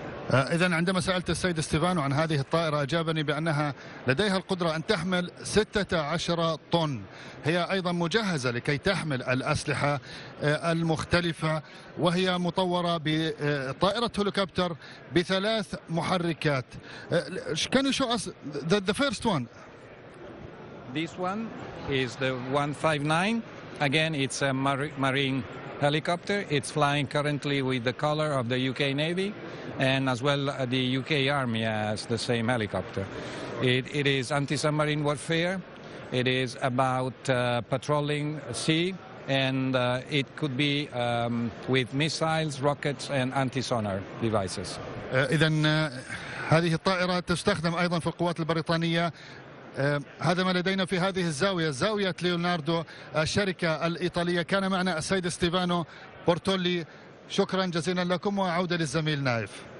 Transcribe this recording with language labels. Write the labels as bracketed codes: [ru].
[ar] إذن عندما سألت السيد ستيفانو عن هذه الطائرة أجابني بأنها لديها القدرة أن تحمل 16 طن. هي أيضا مجهزة لكي تحمل الأسلحة المختلفة، وهي مطورة بطائرة هليكوبتر بثلاث محركات. [en] Can you show us the first one? This one is the 159. Again, it's a marine helicopter. It's flying currently with the color of the UK Navy. And as well, the UK Army has the same helicopter. It is anti-submarine warfare. It is about patrolling sea, and it could be with missiles, rockets, and anti-sonar devices. [ar] إذن هذه الطائرة تستخدم أيضا في القوات البريطانية. هذا ما لدينا في هذه الزاوية، زاوية ليوناردو، الشركة الإيطالية. كان معنا السيد ستيفانو بورتولي. شكرا جزيلا لكم، وعودة للزميل نايف.